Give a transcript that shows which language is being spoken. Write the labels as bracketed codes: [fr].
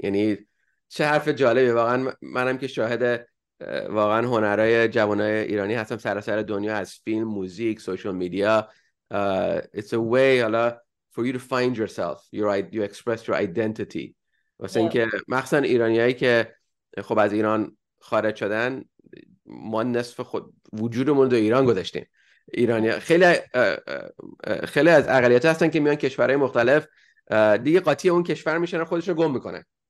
[fa] یعنی چه حرف جالبی. واقعا منم که شاهد واقعا هنرهای جوانای ایرانی هستم سراسر دنیا، از فیلم، موزیک، سوشال میدیا. [en] It's a way for you to find yourself. You express your identity. [fa] واسه اینکه مخصوصا ایرانیایی که خب از ایران خارج شدن، ما نصف خود وجودمون رو ایران گذاشتیم. ایرانی خیلی از اقلیت هستن که میان کشورهای مختلف دیگه قاطی اون کشور میشن و خودشون رو گم میکنن.